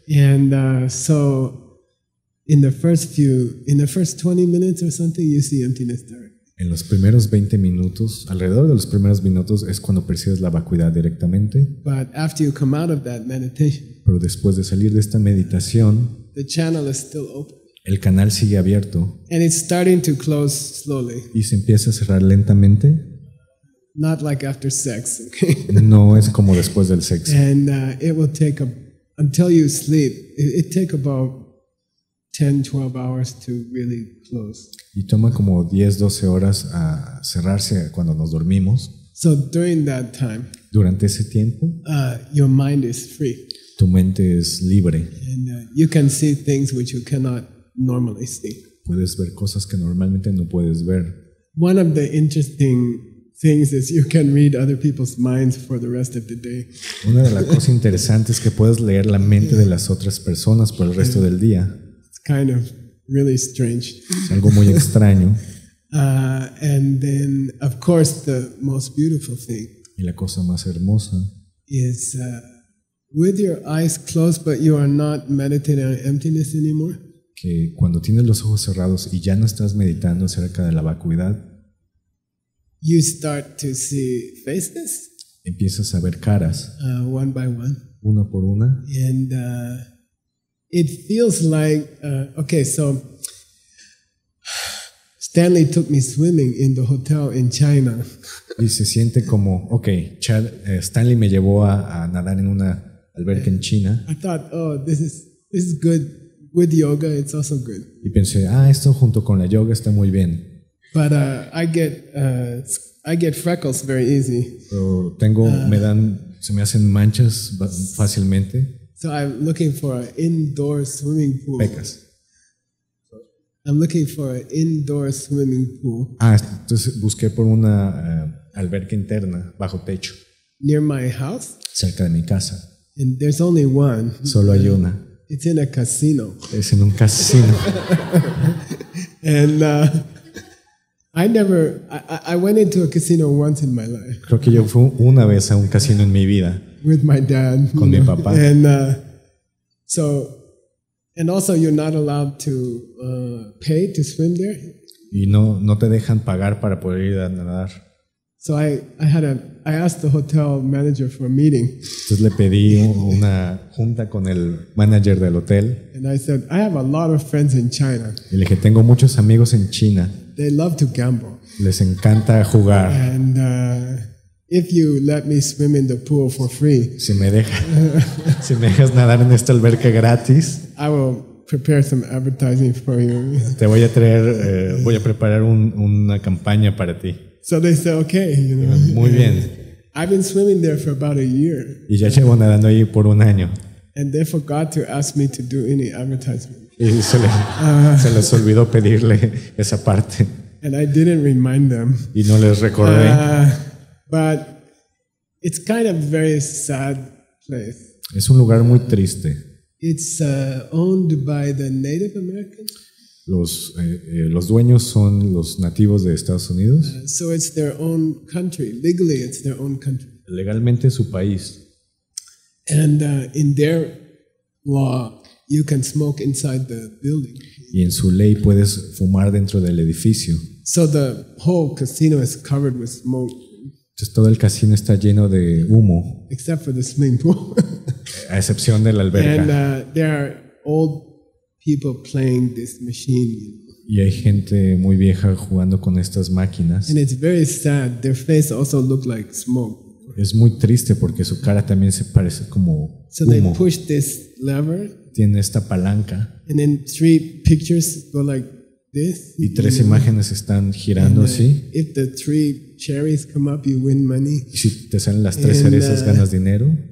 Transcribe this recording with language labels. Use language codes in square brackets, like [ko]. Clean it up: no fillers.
[en] And so in the first 20 minutes or something, you see emptiness directly. [es] En los primeros 20 minutos, alrededor de los primeros minutos, es cuando percibes la vacuidad directamente. [en] But after you come out of that meditation, [es] pero después de salir de esta meditación, [en] the channel is still open. [es] El canal sigue abierto. [en] And it's starting to close slowly. [es] Y se empieza a cerrar lentamente. [en] Not like after sex, okay? [es] No es como después del sexo. [en] And it will take until you sleep, it take about 10-12 hours to really close. [es] Y toma como 10-12 horas a cerrarse cuando nos dormimos. [en] So during that time, [es] durante ese tiempo, [en] your mind is free. [es] Tu mente es libre. [en] And you can see things which you cannot normally see. [es] Puedes ver cosas que normalmente no puedes ver. [en] One of the interesting things is you can read other people's minds for the rest of the day. [es] Una de las cosas interesantes es que puedes leer la mente de las otras personas por el resto del día. [en] It's kind of really strange. [es] Es algo muy extraño. [en] And then, of course, the most beautiful thing. [es] Y la cosa más hermosa [en] is with your eyes closed, but you are not meditating on emptiness anymore. [es] Que cuando tienes los ojos cerrados y ya no estás meditando acerca de la vacuidad, [en] you start to see faces. [es] Empiezas a ver caras. [en] One by one. [es] Una por una. [en] And it feels like okay, so Stanley took me swimming in the hotel in China. [es] Y se siente como, okay, Chad, Stanley me llevó a nadar en una alberca en China. [en] I thought, oh, this is good with yoga. It's also good. [es] Y pensé, ah, esto junto con la yoga está muy bien. [en] But I get freckles very easy. [es] Pero tengo, me dan, se me hacen manchas fácilmente. [en] So I'm looking for an indoor swimming pool. [es] Pecas. [en] I'm looking for an indoor swimming pool. [es] Ah, entonces busqué por una alberca interna bajo techo. [en] Near my house. [es] Cerca de mi casa. [en] And there's only one. [es] Solo hay una. [en] It's in a casino. [es] Es en un casino. [en] And I went into a casino once in my life. [es] Creo que yo fui una vez a un casino en mi vida. [en] With my dad. [es] Con mi papá. [en] And so. And also, you're not allowed to pay to swim there. [es] Y no te dejan pagar para poder ir a nadar. [en] So I asked the hotel manager for a meeting. [es] Entonces le pedí una junta con el manager del hotel. [en] And I said, I have a lot of friends in China. [es] Y le dije, tengo muchos amigos en China. [en] They love to gamble. [es] Les encanta jugar. [en] And if you let me swim in the pool for free, [es] si me dejas nadar en esta alberca gratis, [en] I will prepare some advertising for you. [es] Te voy a traer, voy a preparar una campaña para ti. [en] So they say, okay, you know. [es] Muy bien. [en] I've been swimming there for about a year. [es] Y ya llevo nadando ahí por un año. [en] And they forgot to ask me to do any advertising. [es] Y se les olvidó pedirle esa parte. [en] And I didn't remind them. [es] Y no les recordé. [en] But it's kind of a very sad place. [es] Es un lugar muy triste. [en] It's owned by the Native Americans. [es] Los dueños son los nativos de Estados Unidos. [en] So it's their own country. Legally, it's their own country. [es] Legalmente su país. [en] And in their law, you can smoke inside the building. [es] Y en su ley puedes fumar dentro del edificio. [en] So the whole casino is covered with smoke. [es] Entonces todo el casino está lleno de humo. [en] Except for the swimming pool. [es] A excepción de la alberca. [en] And there are old people playing this machine. [es] Y hay gente muy vieja jugando con estas máquinas. [en] And it's very sad. Their face also look like smoke. [es] Es muy triste porque su cara también se parece como humo. [en] So they push this lever. [es] Tiene esta palanca. [en] And then three pictures go like this. [es] Y tres imágenes están girando así. [en] If the three cherries come up, you win money. [es] Y si te salen las tres cerezas, ganas dinero.